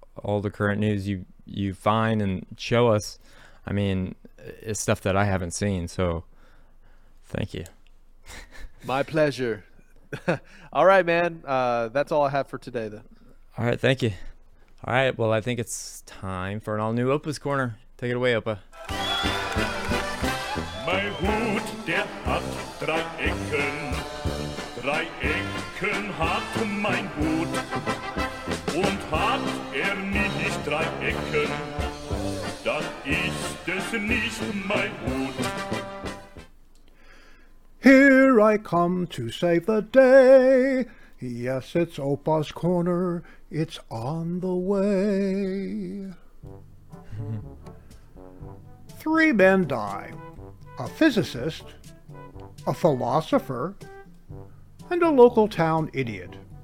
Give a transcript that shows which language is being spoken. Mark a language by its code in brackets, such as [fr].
[en] All the current news you find and show us, I mean, it's stuff that I haven't seen. So thank you. My pleasure. All right, man. That's all I have for today, though. All right. Thank you. All right, well, I think it's time for an all-new Opa's Corner. Take it away, Opa. [de] My hood, der hat drei Ecken hat mein Hut. Und hat nicht drei Ecken, dann ist es nicht mein Hut. [en] Here I come to save the day. Yes, it's Opa's Corner. It's on the way. Three men die. A physicist, a philosopher, and a local town idiot.